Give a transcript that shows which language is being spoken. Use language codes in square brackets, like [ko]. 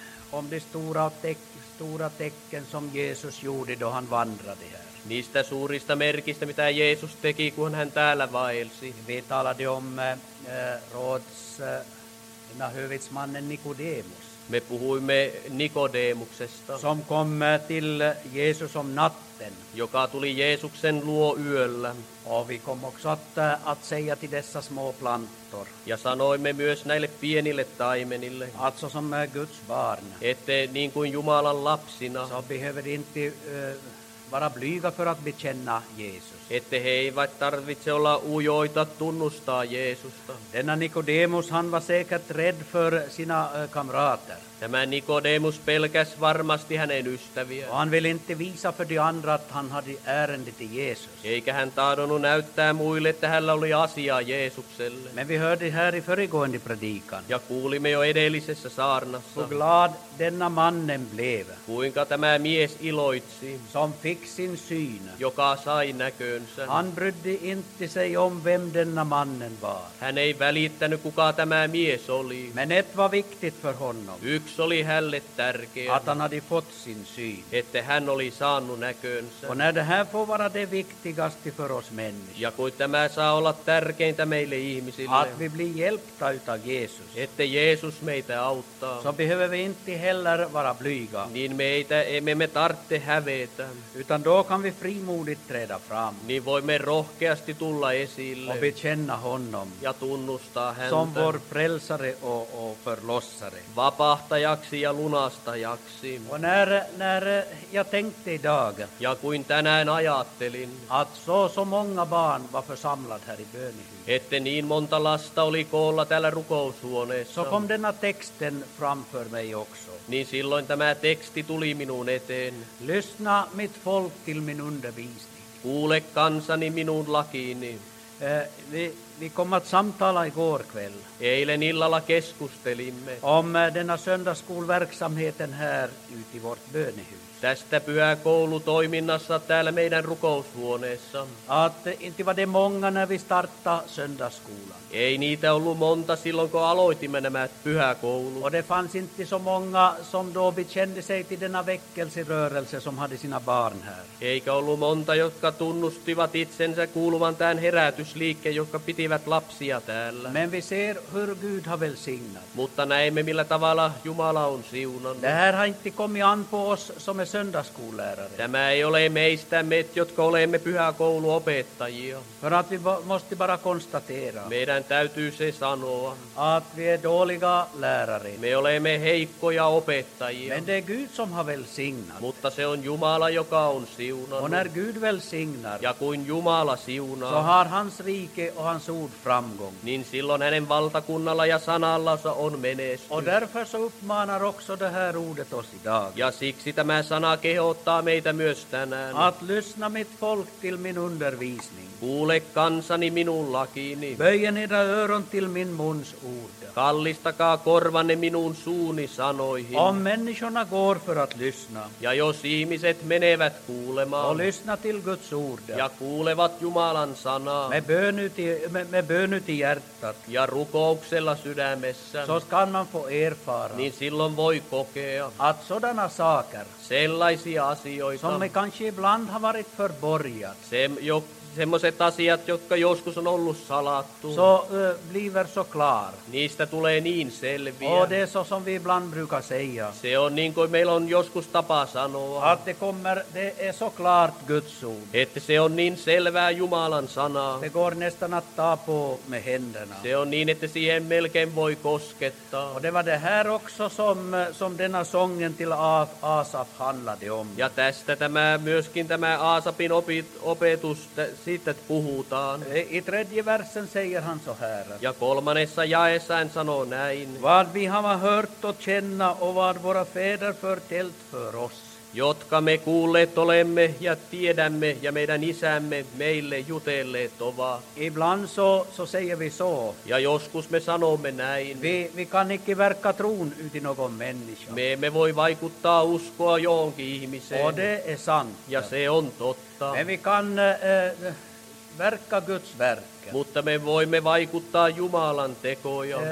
[sv] Om de stora tecken som Jesus gjorde då han vandrade här. [fi] Niistä suurista merkistä, mitä Jeesus teki, kun hän täällä vaelsi. [sv] Vi talade om rådshövitsmannen Nikodemus. [fi] Me puhuimme Nikodemuksesta. [sv] Som kom till Jeesus om natten. [fi] Joka tuli Jeesuksen luo yöllä. [sv] Vi kom också att säga till dessa små plantor. [fi] Ja sanoimme myös näille pienille taimenille. [sv] Att så som Guds barn. [fi] Että niin kuin Jumalan lapsina. [sv] Så behöver inte vara blyga för att bekänna Jeesus. [fi] Että he eivät tarvitse olla ujoita tunnustaa Jeesusta. [sv] Denna Nikodemus, han var säkert rädd för sina kamrater. [fi] Tämä Nikodemus pelkäs varmasti hänen ystäviään. [sv] Han vill inte visa för de andra att han hade ärende till Jesus. [fi] Eikä hän tahdonnut näyttää muille, että hänellä oli asiaa Jeesukselle. [sv] Men vi hörde här i föregående predikan. [fi] Ja kuulimme jo edellisessä saarnassa. [sv] Hur glad denna mannen blev. [fi] Kuinka tämä mies iloitsi. [sv] Som fick sin syn. [fi] Joka sai näkönsä. [sv] Han brydde inte sig om vem denna mannen var. [fi] Hän ei välittänyt, kuka tämä mies oli. [sv] Men ett var viktigt för honom. [fi] Yksi oli hänelle tärkeä. [sv] Att han hade fått sin syn. [fi] Että hän oli saanut näkönsä. [sv] Och när det här får vara det viktigaste för oss människor. [fi] Ja kun tämä saa olla tärkeintä meille ihmisille. [sv] Att vi blir hjälpta utav Jesus. [fi] Että Jeesus meitä auttaa. [sv] Så behöver vi inte heller vara blyga. [fi] Niin meitä emme me tarvitse hävetä. [sv] Utan då kan vi frimodigt träda fram. [fi] Niin voimme rohkeasti tulla esille. [sv] Och bekänna honom. [fi] Ja tunnustaa häntä. [sv] Som vår frälsare och förlossare. [fi] Vapa. Vahtajaksi ja lunastajaksi. [sv] När jag tänkte idag. [fi] Ja kuin tänään ajattelin. [sv] Att så många barn var församlad här i bönehuset. [fi] Että niin monta lasta oli koolla täällä rukoushuoneessa. [sv] Så kom denna texten framför mig också. [fi] Niin silloin tämä teksti tuli minun eteen. [sv] Lyssna mitt folk till min undervisning. [fi] Kuule kansani minun lakiini. [sv] Vi kom att samtala igår kväll. [fi] Eilen illalla keskustelimme. [sv] Om denna söndagsskolverksamheten här ute i vårt bönehus. [fi] Tästä pyhäkoulutoiminnassa täällä meidän rukoushuoneessa. [sv] Att inte var det många när vi startade söndagsskolan. [fi] Ei niitä ollut monta silloin, kun aloitimme nämä pyhäkoulut. [sv] Och det fanns inte så många som då bekände sig till denna väckelserörelse som hade sina barn här. [fi] Eikä ollut monta, jotka tunnustivat itsensä kuuluvan tämän herätysliikkeen, jotka pitivät lapsia täällä. [sv] Men vi ser hur Gud har välsignat. [fi] Mutta näemme, millä tavalla Jumala on siunannut. [sv] Det här har inte kommit an på oss som är söndagsskollärare. [fi] Tämä ei ole meistä, me, jotka olemme pyhäkouluopettajia. [sv] För att vi måste bara konstatera. [fi] Meidän täytyy se sanoa. [sv] Att vi är dåliga lärare. [fi] Me olemme heikkoja opettajia. [sv] Men det är Gud som har välsignat. [fi] Mutta se on Jumala, joka on siunannut. [sv] Och när Gud välsignar. [fi] Ja kuin Jumala siunaa. [sv] Så har hans rike och hans ord framgång. [fi] Niin silloin hänen valtakunnalla ja sanallansa on menestys. [sv] Och därför så uppmanar också det här ordet oss idag. [fi] Ja siksi tämä sana kehottaa meitä myös tänään. [sv] Att lyssna mitt folk till min undervisning. [fi] Kuule kansani minun lakiini. [sv] Böjen era öron till min muns ord. [fi] Kallistakaa korvanne minun suuni sanoihin. [sv] Om människorna går för att lyssna. [fi] Ja jos ihmiset menevät kuulemaan. [sv] Och lyssna till Guds ord. [fi] Ja kuulevat Jumalan sanaa. [sv] Me bönuti hjärtat. [fi] Ja rukouksella sydämessä. [sv] Så ska man få erfara. [fi] Niin silloin voi kokea. [sv] Att sådana saker. [fi] Sellaisia asioita. [sv] Som me kanske ibland har varit förborgat. [fi] Semmoiset asiat, jotka joskus on ollut salattu. [sv] Så blir så klar. [fi] Niistä tulee niin selviä. [sv] Och det så som vi ibland brukar säga. [fi] Se on niin kuin meillä on joskus tapa sanoa. [sv] Att det är så klart Guds ord. [fi] Että se on niin selvää Jumalan sanaa. [sv] Det går nästan att ta på med händerna. [fi] Se on niin, että siihen melkein voi koskettaa. [sv] Och det var det här också som denna sången till Asaf handlade om. [fi] Ja tästä myöskin tämä Aasapin opetus. Siitä puhutaan. [sv] I tredje versen säger han så här. [fi] Ja kolmannessa jaessa hän sanoo näin. [sv] Vad vi har hört och känna och vad våra fäder förtällt för oss. [fi] Jotka me kuulleet olemme ja tiedämme ja meidän isämme meille jutelleet ovat. [sv] Ibland så säger vi så. [fi] Ja joskus me sanomme näin. [sv] Vi kan ikki verka truun yti någon människa. [fi] Me emme voi vaikuttaa uskoa johonkin ihmiseen. [sv] Och det är sant. [fi] Ja se on totta. [sv] Men vi kan verka Guds verk. [fi] Mutta me voimme vaikuttaa Jumalan tekoja.